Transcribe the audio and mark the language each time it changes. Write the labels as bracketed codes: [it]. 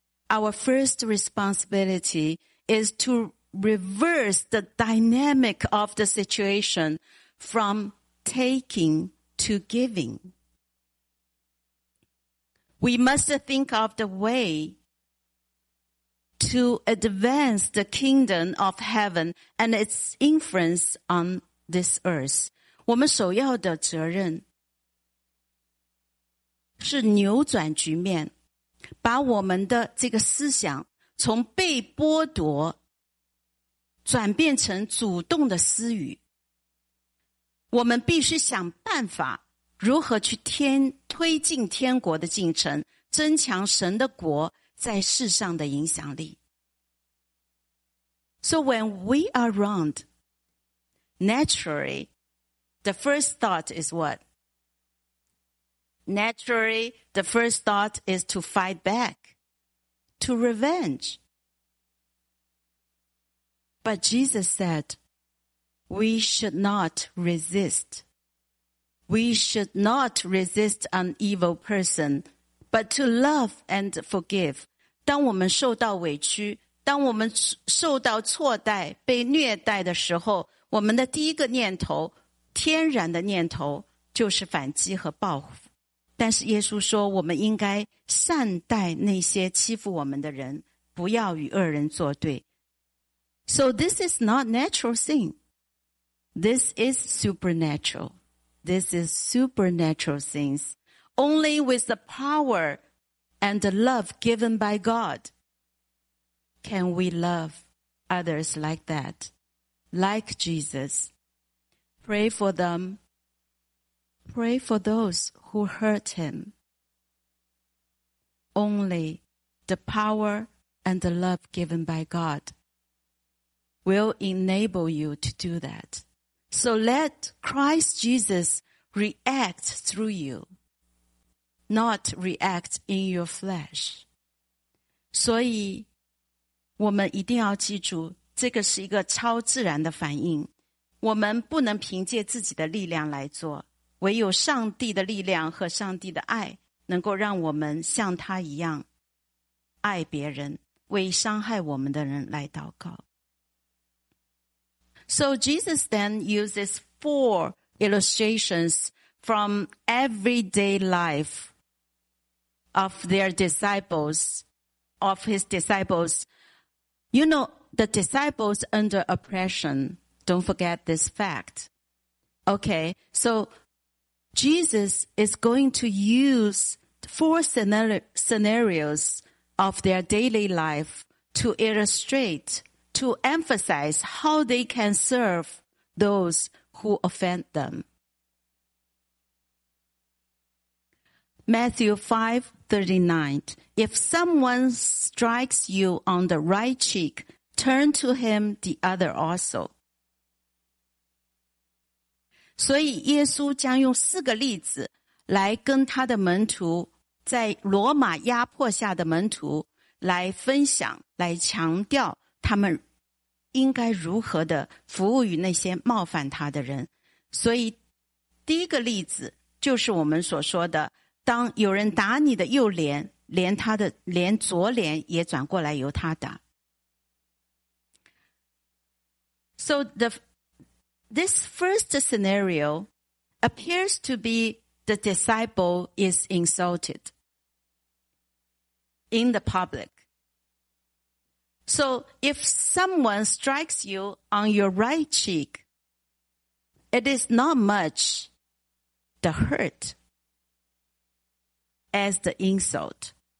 [en] Our first responsibility is to reverse the dynamic of the situation from taking to giving. We must think of the way to advance the kingdom of heaven and its influence on this earth. [zh] 我们首要的责任是扭转局面，把我们的这个思想从被剥夺转变成主动的私语。我们必须想办法如何去推进天国的进程，增强神的国在世上的影响力。 [en] So when we are wronged, naturally, the first thought is what? Naturally, the first thought is to fight back, to revenge. But Jesus said, we should not resist. We should not resist an evil person, but to love and forgive. [zh] 当我们受到委屈，当我们受到错待，被虐待的时候，我们的第一个念头，天然的念头，就是反击和报复。但是耶稣说，我们应该善待那些欺负我们的人，不要与恶人作对。 [en] So this is not natural thing. This is supernatural. This is supernatural things. Only with the power and the love given by God can we love others like that, like Jesus. Pray for them. Pray for those who hurt him. Only the power and the love given by God will enable you to do that. So let Christ Jesus react through you, not react in your flesh. [zh] 所以我们一定要记住，这个是一个超自然的反应，我们不能凭借自己的力量来做，唯有上帝的力量和上帝的爱能够让我们像他一样爱别人，为伤害我们的人来祷告。 [en] So Jesus then uses four illustrations from everyday life of their disciples, of his disciples. You know, the disciples under oppression. Don't forget this fact. Okay, so Jesus is going to use four scenarios of their daily life to illustrate, to emphasize how they can serve those who offend them. Matthew 5:39. If someone strikes you on the right cheek, turn to him the other also. [zh] 所以耶稣将用四个例子来跟他的门徒，在罗马压迫下的门徒来分享，来强调他们应该如何的服务于那些冒犯他的人。所以第一个例子就是我们所说的，当有人打你的右脸，连左脸也转过来由他打。 [en] So this first scenario appears to be the disciple is insulted in the public. So if someone strikes you on your right cheek, it is not much the hurt as the insult.